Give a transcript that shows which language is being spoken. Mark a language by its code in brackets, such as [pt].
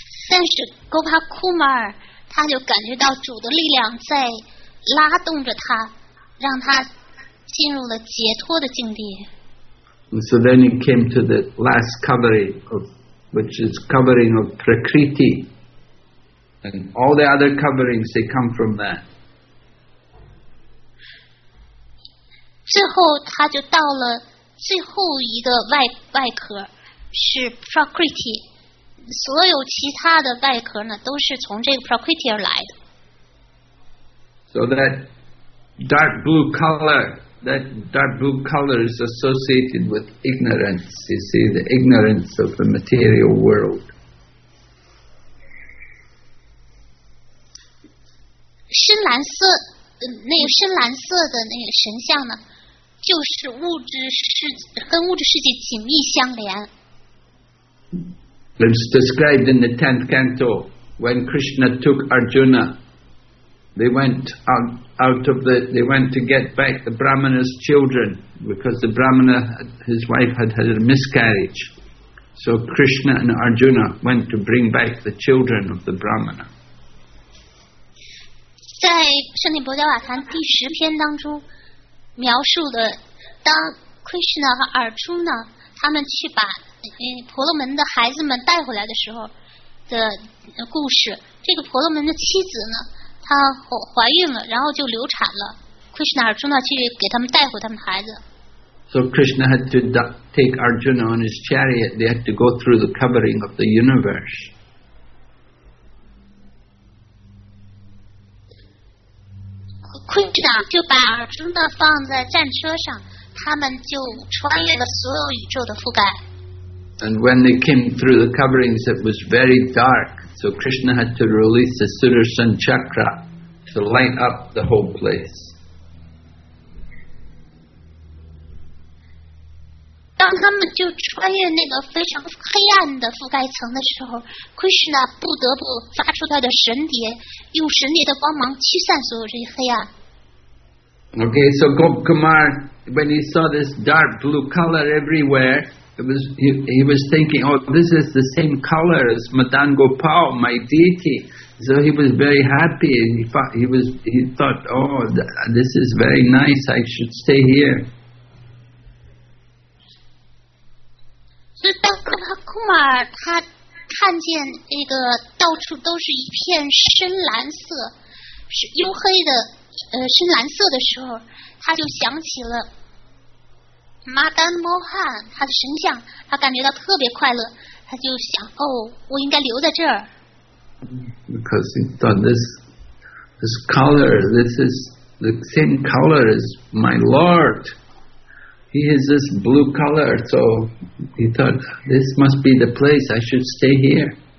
[zh] 但是哥帕库马尔他就感觉到主的力量在拉动着他，让他进入了解脱的境地。 [en] So then he came to the last covering of, which is covering of Prakriti, and all the other coverings they come from that. [zh] 最后他就到了最后一个外壳，是 Prakriti。所有其他的外壳呢，都是从这个 Prakriti 而来的。 [en] So that dark blue color, that dark blue color is associated with ignorance. You see, the ignorance of the material world. [zh] 深蓝色，那个深蓝色的那个神像呢，就是物质世跟物质世界紧密相连。 [en] It's described in the 10th canto when Krishna took Arjuna. They went they went to get back the Brahmana's children because the Brahmana, his wife, had had a miscarriage. So Krishna and Arjuna went to bring back the children of the Brahmana. [zh] 在圣地伯德瓦坛第十篇当中描述的，当 Krishna 和 Arjuna 他们去把婆罗门的孩子们带回来的时候的故事，这个婆罗门的妻子呢，她怀孕了，然后就流产了。 Krishna Arjuna 去给他们带回他们孩子。 [en] So Krishna had to take Arjuna on his chariot. They had to go through the covering of the universe. [zh] 昆士纳就把尔忠的放在战车上，他们就穿越了所有宇宙的覆盖。 [en] And when they came through the coverings, it was very dark. So Krishna had to release the Sudarshan Chakra to light up the whole place. [zh] 当他们就穿越那个非常黑暗的覆盖层的时候， Krishna 不得不发出他的神碟，用神碟的光芒驱散所有这些黑暗。 [en] Okay, so Gop Kumar, when he saw this dark blue color everywhere, he was thinking, oh, this is the same color as Madan Gopal, my deity. So he was very happy. And he thought, oh, this is very nice. I should stay here. So when Gop Kumar, he saw this everywhere was a dark blue color. [zh] 深蓝色的时候，他就想起了马丹摩汉他的神像，他感觉到特别快乐，他就想，哦，我应该留在这儿。 [en] Because he thought this color, this is the same color as my lord. He has this blue color, so he thought this must be the place I should stay here.